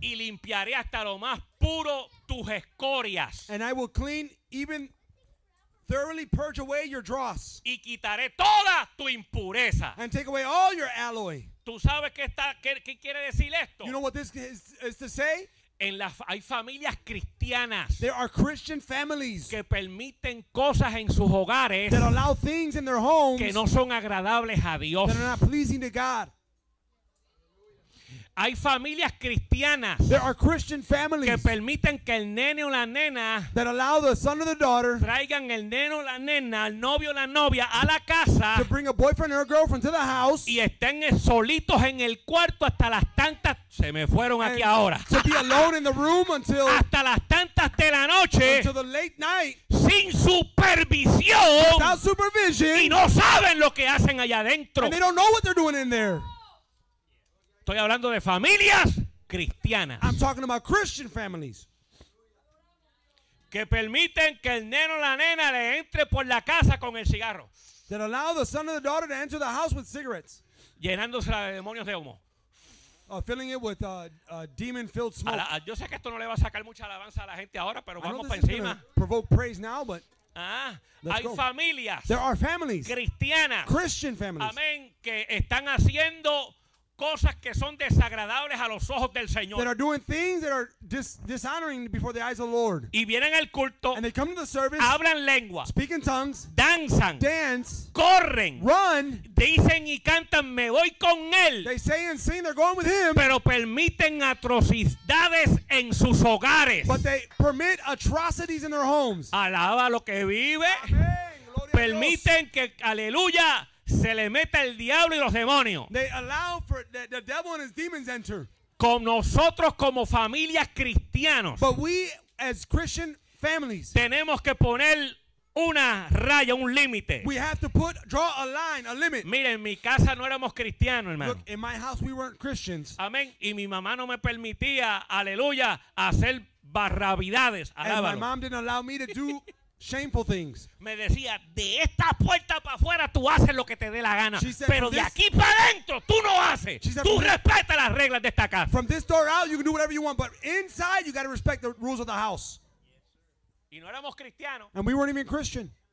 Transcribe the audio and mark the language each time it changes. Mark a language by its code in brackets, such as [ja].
[es] Y limpiaré hasta lo más puro tus escorias. [en] And I will clean even thoroughly purge away your dross. [es] Y quitaré toda tu impureza. [en] And take away all your alloy. [es] ¿Tú sabes qué quiere decir esto? [en] You know what this is to say? [es] En la, hay familias cristianas. [en] There are Christian families [es] que permiten cosas en sus hogares [en] that allow things in their homes [es] que no son agradables a Dios. [en] That are not pleasing to God. [es] Hay familias cristianas. [en] There are Christian families [es] que permiten que el nene o la nena [en] that allow the son or the daughter [es] traigan el nene o la nena, el novio o la novia a la casa [en] to bring a boyfriend or a girlfriend to the house [es] y estén solitos en el cuarto hasta las tantas. Se me fueron aquí ahora. [en] To be alone in the room until [es] hasta las tantas de la noche [en] until the late night [es] sin supervisión [en] without supervision [es] y no saben lo que hacen allá adentro. [en] And they don't know what they're doing in there. [es] Estoy hablando de familias cristianas. [en] I'm talking about Christian families. [es] Que permiten que el neno o la nena le entre por la casa con el cigarro. [en] That allow the son or the daughter to enter the house with cigarettes. [es] Llenándose de demonios de humo. [en] Filling it with demon-filled smoke. [es] Yo sé que esto no le va a sacar mucha alabanza a la gente ahora, pero vamos para encima. [en] Provoke praise now, but [es] hay familias. [en] There are families. [es] Cristianas. [en] Christian families. [es] Amén. Que están haciendo cosas que son desagradables a los ojos del Señor. [en] That are doing things that are dishonoring before the eyes of the Lord. [es] Y vienen al culto. [en] And they come to the service. [es] Hablan lengua. [en] Speak in tongues. [es] Danzan. [en] Dance. [es] Corren. [en] Run. [es] Dicen y cantan, me voy con él. [en] They say and sing, they're going with him. [es] Pero permiten atrocidades en sus hogares. [en] But they permit atrocities in their homes. [es] Alaba lo que vive. Amén. Permiten a Dios. Que, aleluya. Se le mete el diablo y los demonios. [en] They allow for the devil and his demons enter. [es] Con nosotros como familias cristianos. [en] But we as Christian families. [es] Tenemos que poner una raya, un límite. [en] We have to put, draw a line, a limit. [es] Mira, en mi casa no éramos cristianos, hermano. [en] Look, in my house we weren't Christians. [es] Amén. Y mi mamá no me permitía, aleluya, hacer barrabidades. [en] And my mom didn't allow me to do shameful things. [es] Me decía, de esta puerta para afuera tú haces lo que te dé la gana. Said, pero de aquí para adentro tú no haces. Said, tú respeta las reglas de esta casa. [en] From this door out you can do whatever you want, but inside you got to respect the rules of the house. [es] Y no éramos cristianos. [en] And we weren't even Christian.